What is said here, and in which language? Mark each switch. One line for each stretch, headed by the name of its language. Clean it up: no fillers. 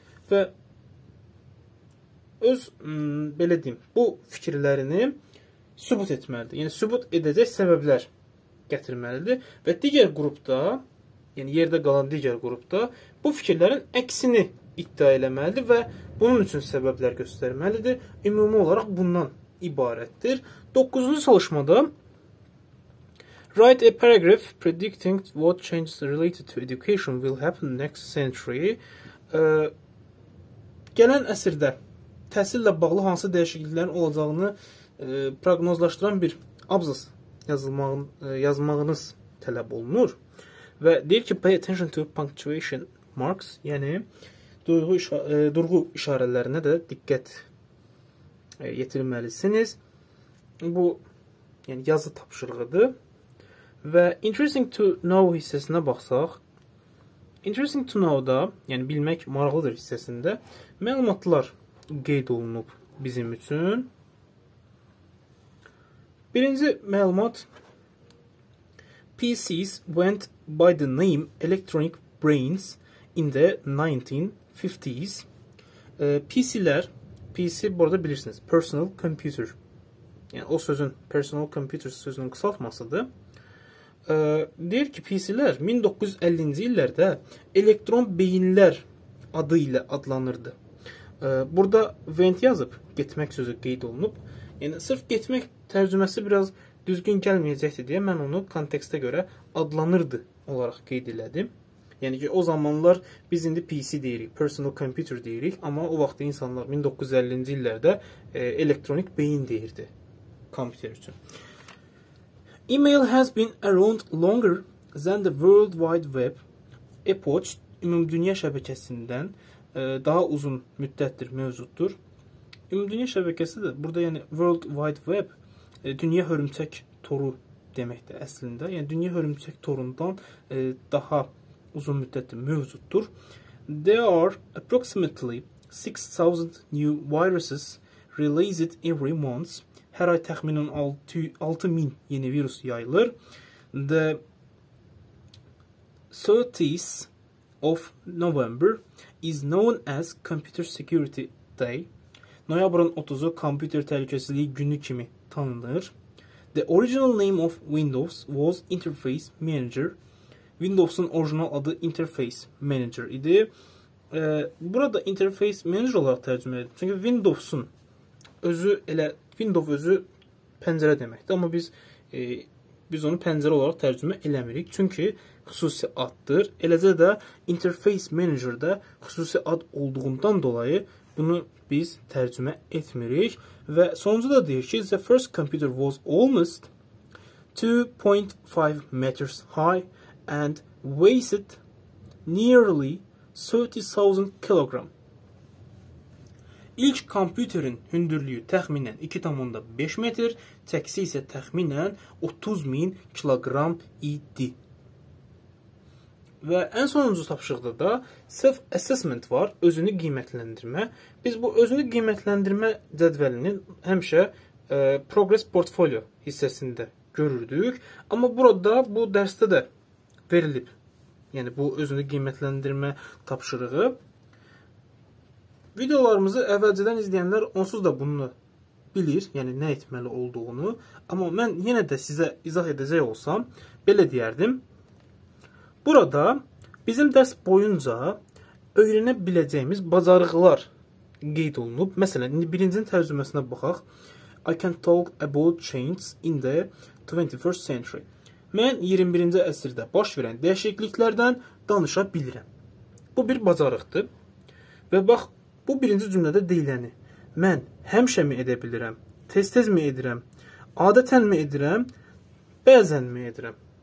Azerbaijani: Və öz, belə deyim, bu fikirlərini sübut etməlidir. Yəni, sübut edəcək səbəblər gətirməlidir. Və digər qrupda, yəni yerdə qalan digər qrupda bu fikirlərin əksini iddia eləməlidir və bunun üçün səbəblər göstərməlidir. Ümumi olaraq bundan ibarətdir. 9-cu çalışmada
English: Write a paragraph predicting what changes related to education will happen next century.
Azerbaijani: Gələn əsrdə təhsillə bağlı hansı dəyişikliklərin olacağını proqnozlaşdıran bir abzas yazmağınız tələb olunur. Və deyir ki,
English: pay attention to punctuation marks,
Azerbaijani: yəni durğu işarələrinə də diqqət yetirməlisiniz. Bu, yəni yazı tapşırığıdır. Və interesting to know hissəsinə baxsaq, interesting to know da, yəni bilmək maraqlıdır hissəsində, məlumatlar qeyd olunub bizim üçün. Birinci məlumat,
English: PCs went by the name electronic brains in the 1950s.
Azerbaijani: PC-lər, PC burada bilirsiniz, personal computer. Yəni o sözün, personal computer sözünün qısaltmasıdır. Deyir ki, PC-lər 1950-ci illərdə elektron beyinlər adı ilə adlanırdı. Burada went yazıb, getmək sözü qeyd olunub. Yəni, sırf getmək tərcüməsi biraz düzgün gəlməyəcəkdir deyə mən onu kontekstə görə adlanırdı olaraq qeyd elədim. Yəni ki, o zamanlar biz indi PC deyirik, personal computer deyirik, amma o vaxt insanlar 1950-ci illərdə elektronik beyin deyirdi kompüter üçün.
English: Email has been around longer than the World Wide Web.
Azerbaijani: E-poç, ümumdünya şəbəkəsindən daha uzun müddətdir, mövcuddur. Ümumdünya şəbəkəsi də burada, yəni World Wide Web, dünya hörümçək toru deməkdir əslində. Yəni, dünya hörümçək torundan daha uzun müddətdir, mövcuddur.
English: There are approximately 6,000 new viruses released every month.
Azerbaijani: Hər ay təxminən 6,000 yeni virus yayılır.
English: The 30th of November is known as Computer Security Day.
Azerbaijani: Noyabrın 30-u kompüter təhlükəsizliyi günü kimi tanınır.
English: The original name of Windows was Interface Manager.
Azerbaijani: Windows'un orijinal adı Interface Manager idi. Burada Interface Manager olaraq tərcümə edir. Çünki Windows'un özü elə Windows özü pəncərə deməkdir, amma biz onu pəncərə olaraq tərcümə eləmirik. Çünki xüsusi addır. Eləcə də Interface Manager-də xüsusi ad olduğundan dolayı bunu biz tərcümə etmirik. Və sonuncu da deyir ki,
English: the first computer was almost 2.5 meters high and weighed nearly 30,000 kilograms.
Azerbaijani: İlk kompüterin hündürlüyü təxminən 2,5 metr, çəkisi isə təxminən 30,000 kilogram idi. Və ən sonuncu tapşırıqda da self-assessment var, özünü qiymətləndirmə. Biz bu özünü qiymətləndirmə cədvəlinin həmişə progress portfolio hissəsində görürdük. Amma burada bu dərsdə də verilib, yəni bu özünü qiymətləndirmə tapşırığı. Videolarımızı əvvəlcədən izləyənlər onsuz da bunu bilir, yəni nə etməli olduğunu. Amma mən yenə də sizə izah edəcək olsam, belə deyərdim. Burada bizim dərs boyunca öyrənə biləcəyimiz bacarıqlar qeyd olunub. Məsələn, indi birincinin tərcüməsinə baxaq.
English: I can talk about change in the 21st century.
Azerbaijani: Mən 21-ci əsrdə baş verən dəyişikliklərdən danışa bilirəm. Bu bir bacarıqdır. Və bax, bu birinci cümlədə deyiləni. Mən həmişə mi edə bilirəm? Tez-tez mi edirəm? Adətən mi edirəm? Bəzən mi edirəm?